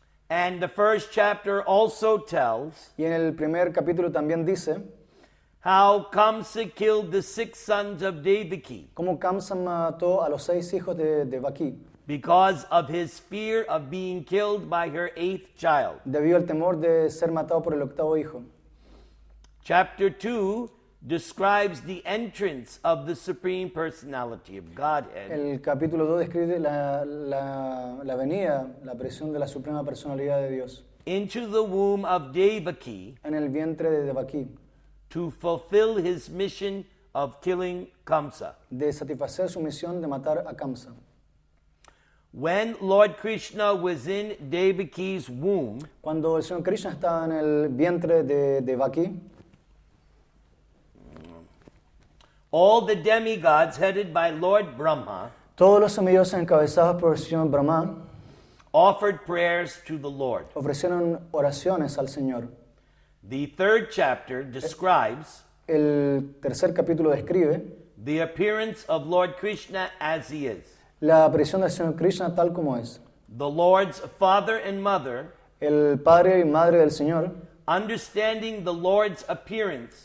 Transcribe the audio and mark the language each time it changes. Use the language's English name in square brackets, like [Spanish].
[English] And the first chapter also tells. [Spanish] Y en el primer capítulo también dice. [English] How Kamsa killed the six sons of Devaki. [Spanish] Como Kamsa mató a los seis hijos de Devaki. [English] Because of his fear of being killed by her eighth child. [Spanish] Debido al temor de ser matado por el octavo hijo. [English] Chapter 2 describes the entrance of the Supreme Personality of Godhead. [Spanish] El capítulo 2 describe la venida, la aparición de la Suprema Personalidad de Dios. [English] Into the womb of Devaki. [Spanish] En el vientre de Devaki. [English] To fulfill his mission of killing Kamsa. [Spanish] De satisfacer su misión de matar a Kamsa. [English] When Lord Krishna was in Devaki's womb. [Spanish] Cuando el Señor Krishna estaba en el vientre de Devaki. [English] All the demigods headed by Lord Brahma. [Spanish] Todos los semidioses encabezados por el Señor Brahma. [English] Offered prayers to the Lord. [Spanish] Ofrecieron oraciones al Señor. [English] The third chapter describes [Spanish] el tercer capítulo describe [English] the appearance of Lord Krishna as he is. [Spanish] La aparición del Señor Krishna tal como es. [English] The Lord's father and mother, [Spanish] el padre y madre del Señor, [English] understanding the Lord's appearance,